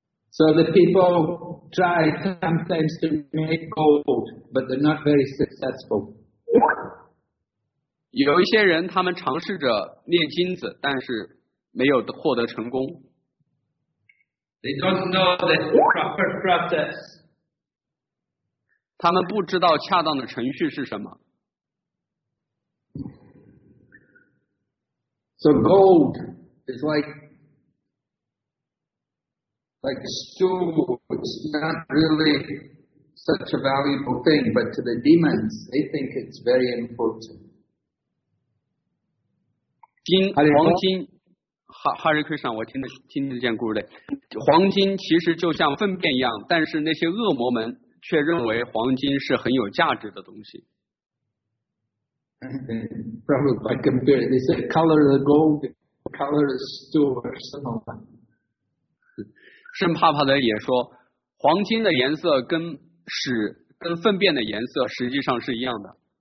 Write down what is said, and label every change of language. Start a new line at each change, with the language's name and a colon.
English: So the people try sometimes to make gold, but they're not very successful.
Chinese: 有一些人他们尝试着炼金子，但是没有获得成功。
English: They don't know the proper process.
Chinese: 他们不知道恰当的程序是什么。
English: So gold is like stew, it's not really such a valuable thing, but to the demons, they think it's very important.
Chinese: 金黄金 Hare Krishna， 我听得见 Gurudev， 黄金其实就像粪便一样，但是那些恶魔们却认为黄金是很有价值的东西。
English: Probably compare it. They say color the gold, color the stew or something like that.
Chinese: 圣帕帕的也说，黄金的颜色跟粪便的颜色实际上是一样的。